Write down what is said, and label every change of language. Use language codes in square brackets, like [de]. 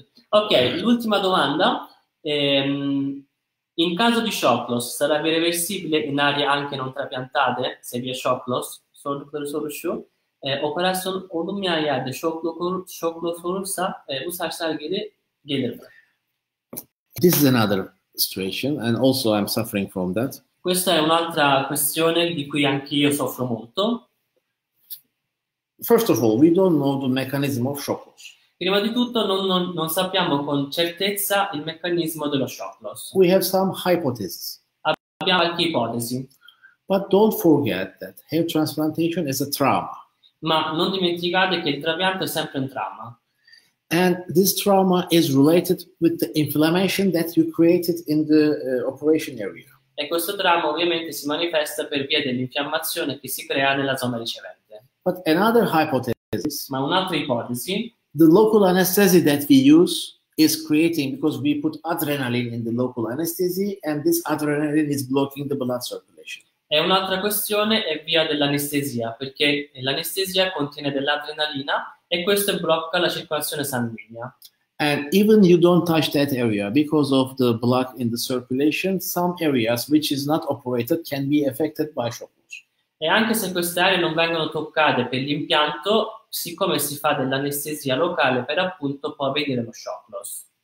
[it] Ok, l'ultima domanda. In caso di shock loss, sarebbe reversibile in aree anche non trapiantate, se vi è shock loss, solo per solo show, operare solo in area di shock loss rossa e usare salire gelerba. [en] This is another situation, and also I'm suffering from that. [it] Questa è un'altra questione di cui anch'io soffro molto. [en] First of all, we don't know the mechanism of shock loss. [it] Prima di tutto non sappiamo con certezza il meccanismo dello shock loss. [en] We have some hypotheses. [it] Abbiamo qualche ipotesi. [en] But don't forget that hair transplantation is a trauma. [it] Ma non dimenticate che il trapianto è sempre un trauma. [en] And this trauma is related with the inflammation that you created in the operation area. [it] E questo trauma ovviamente si manifesta per via dell'infiammazione che si crea nella zona ricevente. [en] But another hypothesis, [it] Ma un'altra ipotesi. [en] the local anesthesia that we use is creating because we put adrenaline in the local anesthesia and this adrenaline is blocking the blood circulation. [it] È un'altra questione, è via dell'anestesia, perché l'anestesia contiene dell'adrenalina e questo blocca la circolazione sanguigna. [en] And even you don't touch that area because of the block in the circulation, some areas which is not operated can be affected by shock. [it] E anche se queste aree non vengono toccate per l'impianto, siccome si fa dell'anestesia locale, per appunto può avvenire lo shock loss.